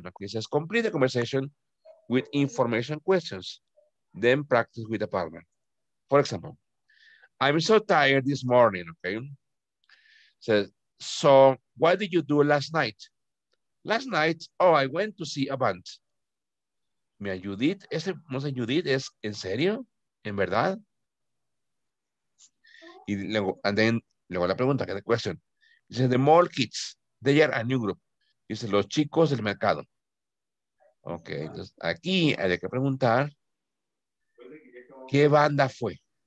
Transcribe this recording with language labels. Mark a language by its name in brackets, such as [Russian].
[English] Okay, it says, complete the conversation with information questions. Then practice with the partner. For example, I'm so tired this morning, okay? Says, so what did you do last night? Last night, oh, I went to see a band. [Spanish] Me ayudit, ese Monse ayudit es en serio, en verdad. Y luego, [English] and then, [Spanish] luego la pregunta, que es la question. [English] Dice, the mall kids, they are a new group. [Spanish] Dice, los chicos del mercado. Ok, entonces aquí hay que preguntar, ¿qué banda fue?